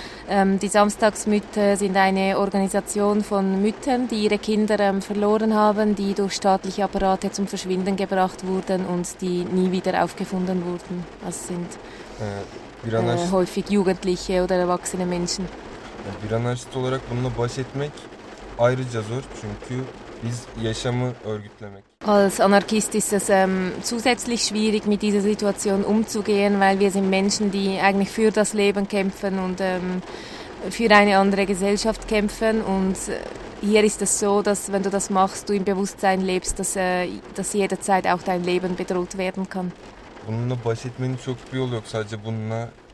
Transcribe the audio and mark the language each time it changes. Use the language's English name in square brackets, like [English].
[German] Die Samstagsmütter sind eine Organisation von Müttern, die ihre Kinder verloren haben, die durch staatliche Apparate zum Verschwinden gebracht wurden und die nie wieder aufgefunden wurden. Das sind häufig Jugendliche oder erwachsene Menschen. [Turkish] Bir anarşist olarak bununla baş etmek ayrıca zor çünkü biz yaşamı örgütlemek. [German] Als Anarchist ist es zusätzlich schwierig, mit dieser Situation umzugehen, weil wir sind Menschen, die eigentlich für das Leben kämpfen und für eine andere Gesellschaft kämpfen. Und hier ist es so, dass wenn du das machst, du im Bewusstsein lebst, dass jederzeit auch dein Leben bedroht werden kann. [Turkish] Bununla baş etmenin çok bir yolu yok, sadece bununla...